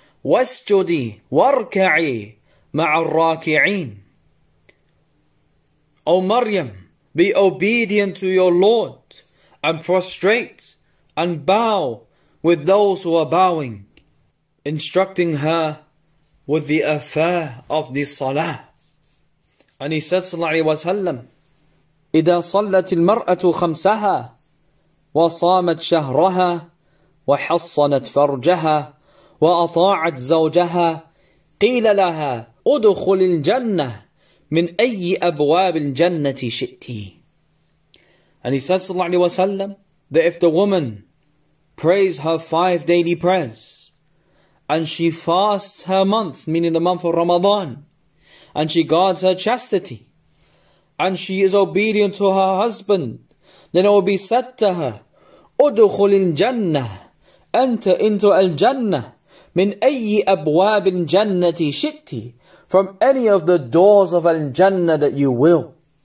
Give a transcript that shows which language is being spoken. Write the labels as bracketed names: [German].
[Arabic] واسجدي واركعي مع الراكعين. [English] O Maryam, be obedient to your Lord and prostrate and bow with those who are bowing, instructing her with the affair of the salah. And he said, [Arabic] صلى الله عليه وسلم, إذا صلت المرأة خمسها وصامت شهرها وحصنت فرجها وأطاعت زوجها قيل لها أدخل الجنة من أي أبواب الجنة شئتي. [English] And he said, صلى الله عليه وسلم, that if the woman prays her five daily prayers and she fasts her month, meaning the month of Ramadan, and she guards her chastity, and she is obedient to her husband, then it will be said to her, [Arabic] أدخل الجنة, [English] enter into الجنة, [Arabic] من أي أبواب الجنة شئت, [English] from any of the doors of الجنة that you will.